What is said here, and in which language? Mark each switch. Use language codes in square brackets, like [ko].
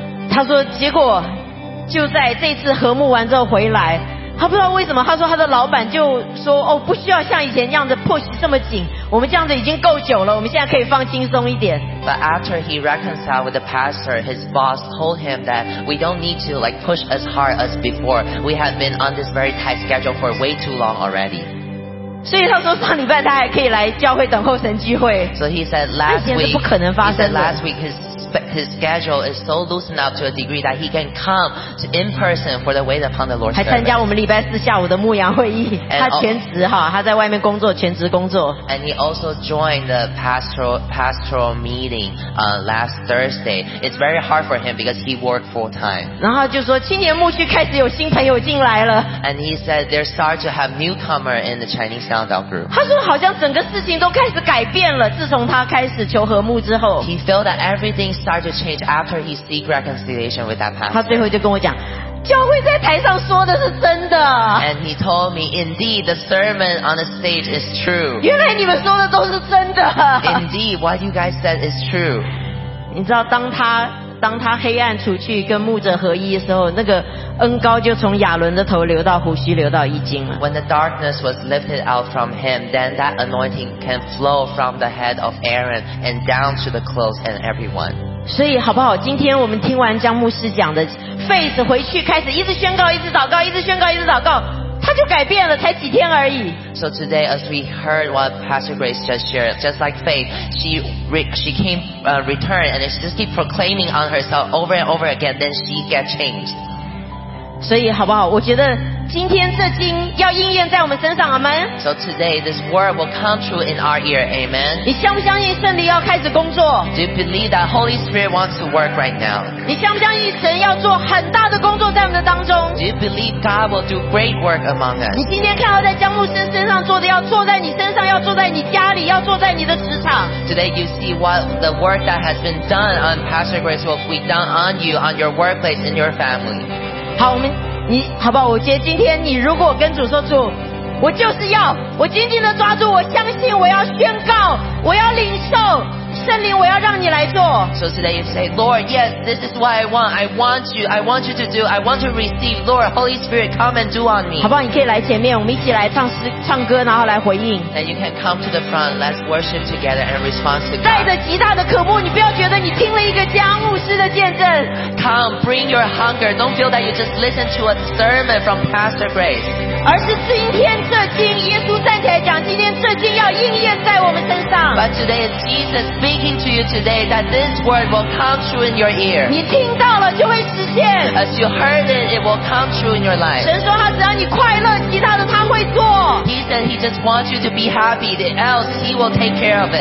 [zh] 他说结果就在这次和睦完之后回来。他不知道为什么，他说他的老板就说哦，不需要像以前那样子 push 这么紧，我们这样子已经够久了，我们现在可以放轻松一点。 [en] But after he reconciled with the pastor, his boss told him that we don't need to like push as hard as before. We have been on this very tight schedule for way too long already. [zh] 所以他说上礼拜他还可以来教会等候神机会。 [en] So he said last week. [zh] 之前是不可能发生的。 [en] He said last week his his schedule is so loosened up to a degree that he can come to in person for the wait upon the Lord's [zh] service. 还参加我们礼拜四下午的牧羊会议。他全职哈，他在外面工作，全职工作。 [en] And he also joined the pastoral meeting last Thursday. It's very hard for him because he worked full time. [zh] 然后就说青年牧区开始有新朋友进来了。 [en] And he said they're starting to have newcomer in the Chinese Soundout group. [zh] 他说好像整个事情都开始改变了，自从他开始求和睦之后。 [en] He felt that everything started to change after he seek reconciliation with that pastor. [zh] 他最后就跟我讲。教会在台上说的是真的。 [en] And he told me, indeed, the sermon on the stage is true. [zh] 原来你们说的都是真的。 [en] Indeed, what you guys said is true. [zh] 你知道当他黑暗除去跟牧者合一的时候，那个恩膏就从亚伦的头流到胡须，流到衣襟了。 [en] When the darkness was lifted out from him, then that anointing can flow from the head of Aaron and down to the clothes and everyone. [zh] 所以好不好，今天我们听完江牧师讲的 Faith 回去开始一直宣告一直祷告一直宣告一直祷告，他就改变了，才几天而已。 [en] So today as we heard what Pastor Grace just shared, just like Faith, she returned and she just keep proclaiming on herself over and over again, then she get changed. [zh] 所以好不好，我觉得今天这经要应验在我们身上，阿们。 [en] So today this word will come true in our ear, amen. [zh] 你相不相信圣灵要开始工作？ [en] Do you believe that Holy Spirit wants to work right now? [zh] 你相不相信神要做很大的工作在我们的当中？ [en] Do you believe God will do great work among us? [zh] 你今天看到在江牧师身上做的，要做在你身上，要做在你家里，要做在你的职场。 [en] Today you see what the work that has been done on Pastor Grace will be done on you, on your workplace, in your family. [zh] 好，我们你好不好，我觉得今天你如果跟主说，主我就是要，我紧紧的抓住，我相信，我要宣告，我要领受圣灵，我要让你来做。 [en] So today you say, Lord, yes, this is what I want you to do, I want to receive, Lord, Holy Spirit, come and do on me. [zh] 好不好，你可以来前面，我们一起来 唱歌，然后来回应。 [en] Then you can come to the front, let's worship together and respond to God. [zh] 带着极大的渴慕，你不要觉得你听了一个江牧师的见证。 [en] Come, bring your hunger, don't feel that you just listen to a sermon from Pastor Grace. [zh] 而是今天这经，耶稣站起来讲，今天这经要应验在我们身上。 [en] But today is Jesus speaking to you today that this word will come true in your ear. [zh] 你听到了就会实现。 [en] As you heard it, it will come true in your life. [zh] 神说他只要你快乐，其他的他会做。 [en] He said he just wants you to be happy, else he will take care of it.